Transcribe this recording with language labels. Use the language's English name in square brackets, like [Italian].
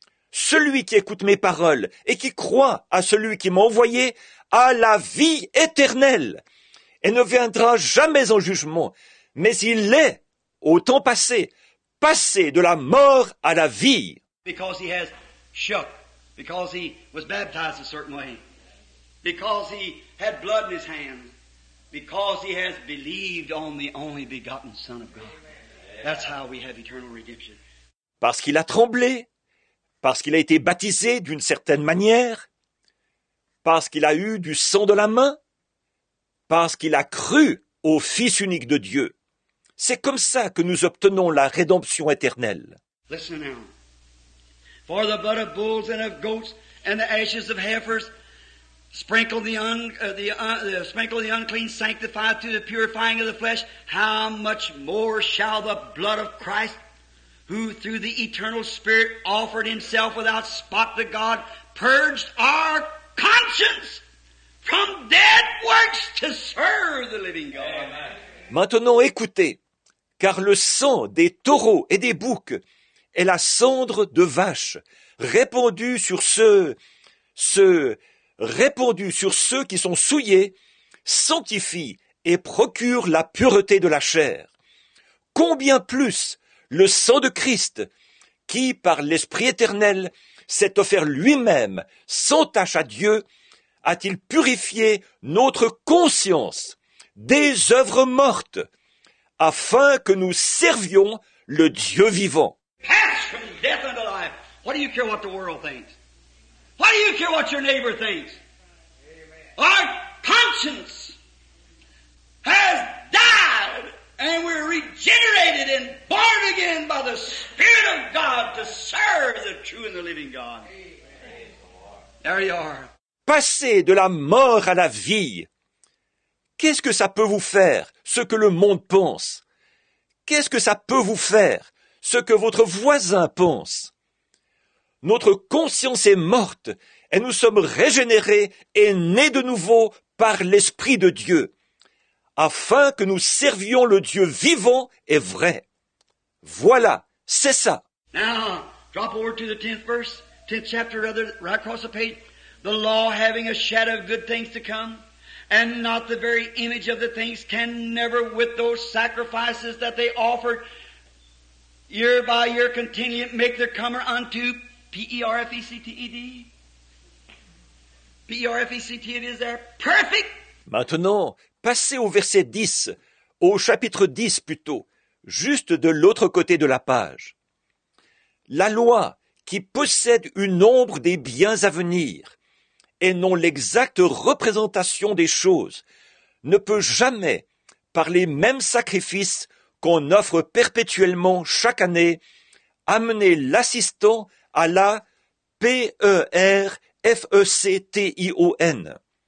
[French] Celui qui écoute mes paroles et qui croit à celui qui m'a envoyé a la vie éternelle et ne viendra jamais en jugement, mais il est, au temps passé, passé de la mort à la vie. [English] Because he has shook, because he was baptized a certain way, because he had blood in his hand, because he has believed on the only begotten Son of God. That's how we have eternal redemption. [French] Parce qu'il a tremblé, parce qu'il a été baptisé d'une certaine manière, parce qu'il a eu du sang de la main, parce qu'il a cru au Fils unique de Dieu. C'est comme ça que nous obtenons la rédemption éternelle. [English] Listen now. For the blood of bulls and of goats and the ashes of heifers sprinkle the unclean sanctified through the purifying of the flesh, how much more shall the blood of Christ, who through the eternal Spirit offered himself without spot to God, purged our conscience from dead works to serve the living God. Amen. [French] Maintenant écoutez, car le sang des taureaux et des boucs est la cendre de vache répandue sur ceux qui sont souillés, sanctifie et procure la pureté de la chair. Combien plus le sang de Christ, qui, par l'Esprit éternel, s'est offert lui-même sans tache à Dieu, a-t-il purifié notre conscience des œuvres mortes, afin que nous servions le Dieu vivant? [English] Pass from death unto life. What do you care what the world thinks? What do you care what your neighbor thinks? Amen. Our conscience has died. And we're regenerated and born again by the Spirit of God to serve the true and the living God. There you are. [French] Passer de la mort à la vie. Qu'est-ce que ça peut vous faire, ce que le monde pense? Qu'est-ce que ça peut vous faire, ce que votre voisin pense? Notre conscience est morte et nous sommes régénérés et nés de nouveau par l'Esprit de Dieu, afin que nous servions le Dieu vivant et vrai. Voilà, c'est ça. [English] Now, drop over to the 10th verse, 10th chapter, rather, right across the page. The law having a shadow of good things to come, and not the very image of the things, can never with those sacrifices that they offered year by year continually make their comer unto P-E-R-F-E-C-T-E-D. P-E-R-F-E-C-T-E-D is there. Perfect! [French] Maintenant, passez au verset 10, au chapitre 10 plutôt, juste de l'autre côté de la page. La loi qui possède une ombre des biens à venir et non l'exacte représentation des choses ne peut jamais, par les mêmes sacrifices qu'on offre perpétuellement chaque année, amener l'assistant à la P-E-R-F-E-C-T-I-O-N.